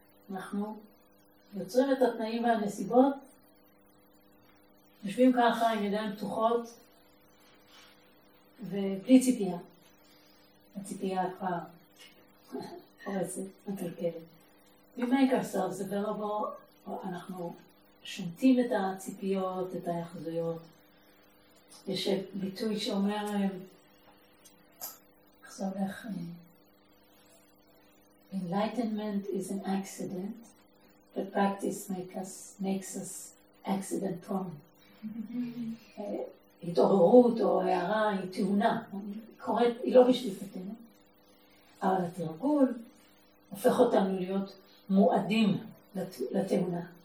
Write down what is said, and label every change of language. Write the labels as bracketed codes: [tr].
[he] אנחנו יוצרים את התנאים והנסיבות, יושבים ככה עם ידיים פתוחות ובלי ציפייה. הציפייה כבר חורסת, מתלכלת. [en] We make ourselves available, [he] אנחנו שומטים את הציפיות, את היחזויות. יש ביטוי שאומר, נחזור איך, [en] Enlightenment is an accident, but practice makes us accident prone. [he] התעוררות או הערה היא תאונה, היא לא בשליפתנו, אבל התרגול הופך אותנו להיות מועדים לתאונה.